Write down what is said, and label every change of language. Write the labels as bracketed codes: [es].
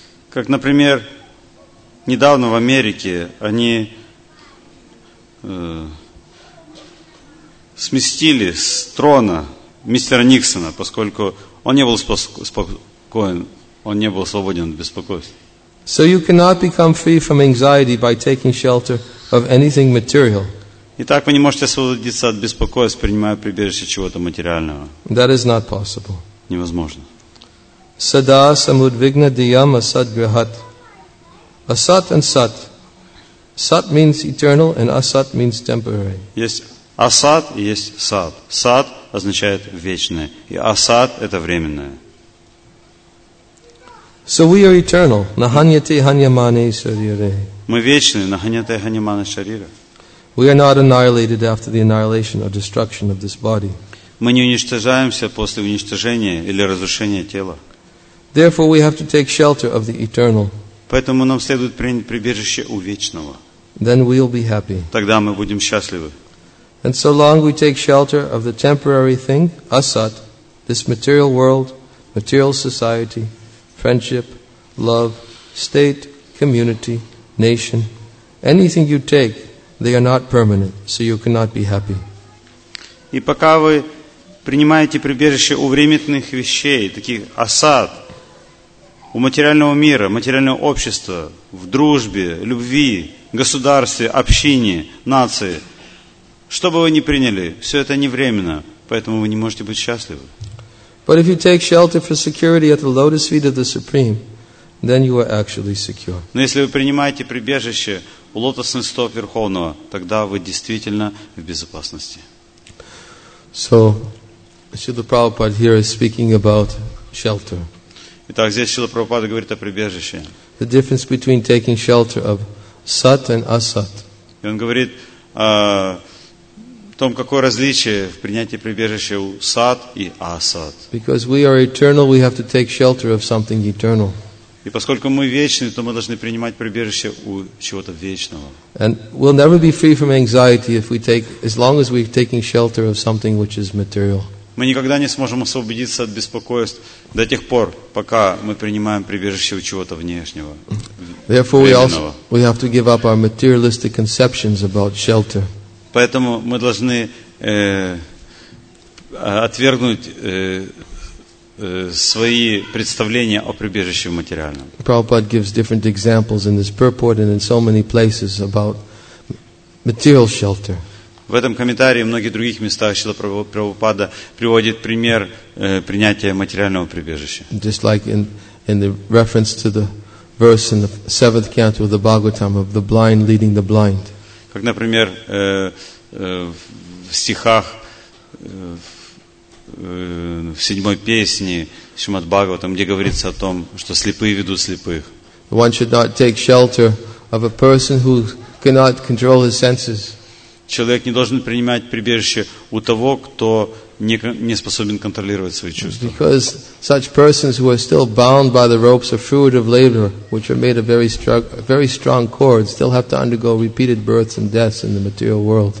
[ru] Как, например, недавно в Америке они сместили с трона мистера Никсона, поскольку он не был спокоен. Он не был свободен от беспокойств. [en] So you cannot become free from anxiety by taking shelter of anything material. [ru] Итак, вы не можете освободиться от беспокойств, принимая прибежище чего-то материального. [en] That is not possible. [ru] Невозможно. [sa] Sada samudvigna diyam asat grihat. Asat and sat. [en] Sat means eternal and asat means temporary. [ru] Есть асат и есть сат. Сат означает вечное, и асат это временное. [en] So we are eternal. [sa] Nahanyate hanyamane sharire. [ru] Мы вечны. [sa] Nahanyate hanyamane sharire. [en] We are not annihilated after the annihilation or destruction of this body. [ru] Мы не уничтожаемся после уничтожения или разрушения тела. [en] Therefore, we have to take shelter of the eternal. [ru] Поэтому нам следует принять прибежище у вечного. [en] Then we'll be happy. [ru] Тогда мы будем счастливы. [en] And so long we take shelter of the temporary thing, asat, this material world, material society, friendship, love, state, community, nation, anything you take, they are not permanent, so you cannot be happy. [ru] И пока вы принимаете прибежище у временных вещей, таких асад, у материального мира, материального общества, в дружбе, любви, государстве, общине, нации, что бы вы ни приняли, все это не временно, поэтому вы не можете быть счастливы. [en] But if you take shelter for security at the lotus feet of the Supreme, then you are actually secure. [ru] Но если вы принимаете прибежище у лотосных стоп Верховного, тогда вы действительно в безопасности. [en] So, Śrīla Prabhupāda here is speaking about shelter. [ru] Итак, здесь Śrīla Prabhupāda говорит о прибежище. [en] The difference between taking shelter of sat and asat. [ru] И он говорит в том, какое различие в принятии прибежища у сад и асад. [en] Because we are eternal, we have to take shelter of something eternal. [ru] И поскольку мы вечны, то мы должны принимать прибежище у чего-то вечного. [en] And we'll never be free from anxiety if we take, as long as we're taking shelter of something which is material. [ru] Мы никогда не сможем освободиться от беспокойств до тех пор, пока мы принимаем прибежище у чего-то внешнего, временного. [en] Therefore, we have to give up our materialistic conceptions about shelter. [ru] Поэтому мы должны отвергнуть свои представления о прибежище в материальном. [en] Prabhupada gives different examples in this purport and in so many places about material shelter. [ru] В этом комментарии и многих других местах Шрила Прабхупада приводит пример принятия материального прибежища. [en] Just like in the reference to the verse in the seventh canto of the Bhagavatam of the blind leading the blind. [ru] Как, например, в стихах в седьмой песне Шримад Бхагаватам, где говорится о том, что слепые ведут слепых. [en] One should not take shelter of a person who cannot control his senses. [ru] Человек не должен принимать прибежище у того, кто не способен контролировать свои чувства. [en] Because such persons who are still bound by the ropes of fruitive labor, which are made of very strong cords, still have to undergo repeated births and deaths in the material world.